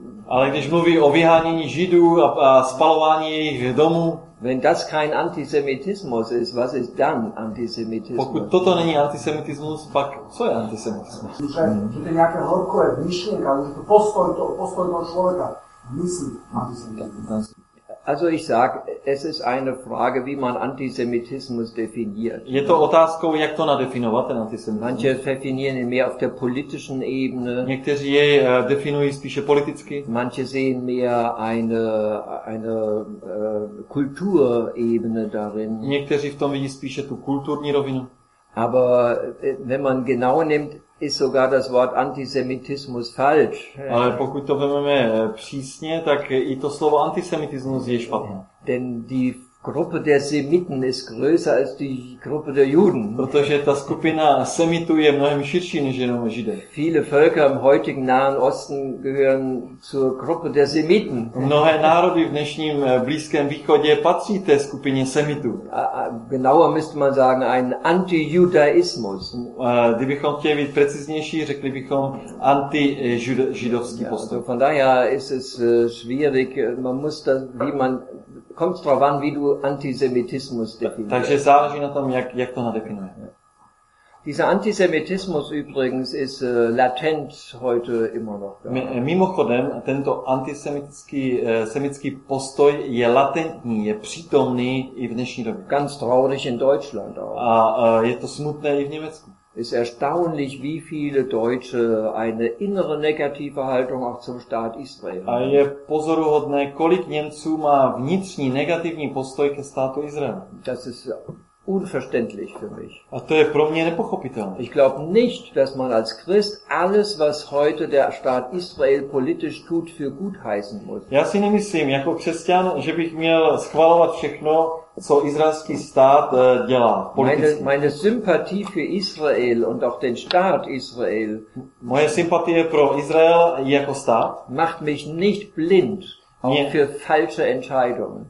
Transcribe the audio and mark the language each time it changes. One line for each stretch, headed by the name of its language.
Czech: ale když mluví o vyhánění Židů a spalování jejich domů,
German: wenn das kein Antisemitismus ist, was ist dann Antisemitismus?
Czech: Pokud toto není antisemitismus, pak co je antisemitismus? Je to nějaké horké myšlenka, je to postoj toho člověka, myslí antisemitismus.
German: Also ich sag, es ist eine Frage, wie man Antisemitismus definiert.
Czech: Je to otázkou, jak to nadefinovat, ten antisemitismus.
German: Manche definieren ihn mehr auf der politischen Ebene.
Czech: Někteří jej definují spíše politicky.
German: Manche sehen mehr eine Kulturebene darin.
Czech: Někteří v tom vidí spíše tu kulturní rovinu.
German: Aber wenn man genau nimmt, ist sogar das Wort Antisemitismus falsch.
Czech: Ale pokud to vezmeme přísně, tak i to slovo antisemitismus je špatné.
German: Denn die Gruppe der Semiten ist größer als die Gruppe der Juden.
Czech: Protože ta skupina Semitů je mnohem širší než jenom Židé.
German: Viele Völker im heutigen Nahen Osten gehören zur Gruppe der Semiten.
Czech: Mnohé národy v dnešním Blízkém východě patří té skupině Semitů.
German: Genauer müsste man sagen, ein Anti-Judaismus.
Czech: Kdybychom chtěli být preciznější, řekli bychom anti-židovský postup.
German: Also von daher ist es schwierig, man muss das, wie man kommst drauf an, wie du Antisemitismus definierst.
Czech: Takže záleží na tom, jak to nadefinuje.
German: Dieser Antisemitismus übrigens ist latent heute immer noch.
Czech: Mimochodem, tento antisemitický semitský postoj je latentní, je přítomný i v dnešní době.
German: Ganz traurig in Deutschland auch.
Czech: A je to smutné i v Německu.
German: Ist erstaunlich, wie viele Deutsche eine innere negative Haltung auch zum Staat Israel haben.
Czech: A je pozoruhodné, kolik Němců má vnitřní negativní postoj ke státu Izrael.
German: Das ist unverständlich für mich.
Czech: A to je pro mě nepochopitelné.
German: Ich glaube nicht, dass man als Christ alles, was heute der Staat Israel politisch tut, für gut heißen muss.
Czech: Já si nemyslím, jako křesťan, že bych měl schvalovat všechno, co izraelský stát dělá politicky.
German: Meine Sympathie für Israel und auch den Staat Israel.
Czech: Moje sympatie pro Izrael jako stát
German: macht mich nicht blind für falsche Entscheidungen.